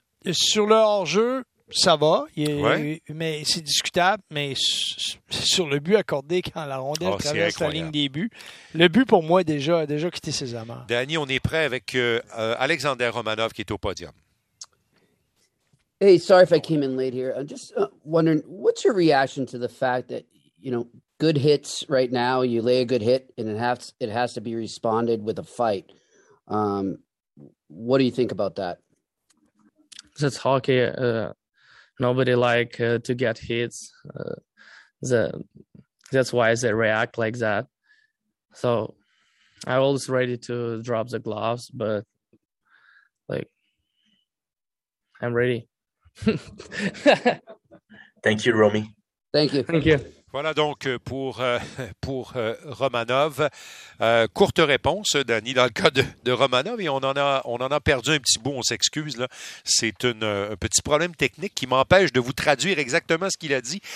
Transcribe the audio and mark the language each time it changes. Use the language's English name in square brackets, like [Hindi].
[French] Sur le hors-jeu, ça va, mais c'est discutable. Mais sur le but accordé quand la rondelle traverse la ligne des buts, le but pour moi a déjà quitté ses amarres. Danny, on est prêt avec Alexander Romanov qui est au podium. [English] Hey, sorry if I came in late here. I'm just wondering, what's your reaction to the fact that, you know, good hits right now, you lay a good hit and it has to be responded with a fight. What do you think about that? That's hockey. Nobody like to get hits. That's why they react like that. So I was ready to drop the gloves, but like I'm ready. Thank you, Romy. Thank you. Thank you. [French] Voilà donc pour Romanov. Courte réponse, Danny, dans le cas de Romanov. Et on en a perdu un petit bout, on s'excuse. Là. C'est un petit problème technique qui m'empêche de vous traduire exactement ce qu'il a dit.